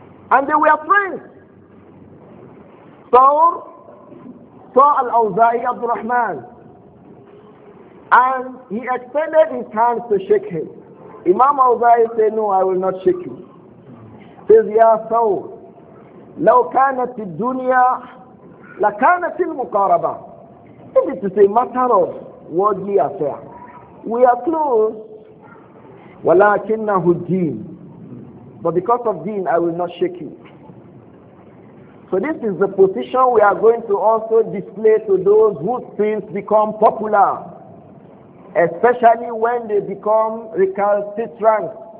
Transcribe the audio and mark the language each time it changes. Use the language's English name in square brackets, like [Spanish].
[English] And they were friends. Thawr saw al-Awza'i Abdul Rahman. And he extended his hand to shake him. Imam al-Awza'i said, no, I will not shake you. He says, [Arabic] ya Thawr, لو كانت الدنيا لكانت المقاربة. [English] It is to say, matter of worldly affair. We are close, [Arabic] وَلَكِنَّهُ الدِّينِ, [English] but because of deen, I will not shake you. So this is the position we are going to also display to those whose sins become popular, especially when they become recalcitrant.